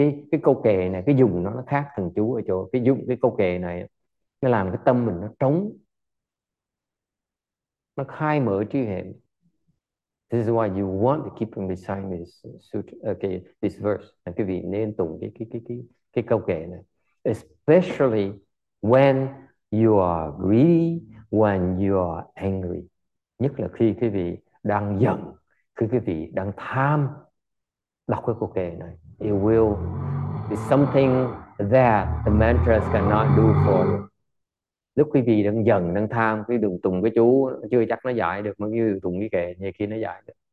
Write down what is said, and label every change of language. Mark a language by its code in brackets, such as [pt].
[vi] Cái câu kệ này, cái dùng nó khác thần chú ở chỗ cái dùng cái câu kệ này nó làm cái tâm mình nó trống, nó khai mở trí huệ. [en] This is why you want to keep on reciting this sutra, okay, this verse. [vi] Quý vị nên tụng cái câu kệ này, [en] especially when you are greedy, when you are angry. [vi] Nhất là khi quý vị đang giận, khi quý vị đang tham, đọc cái câu kệ này. [en] It will be something that the mantras cannot do for you. [vi] Lúc quý vị đang giận, đang tham, quý vị tụng cái chú, chưa chắc nó giải được, mà quý vị tụng cái kệ, nhiều khi nó giải được.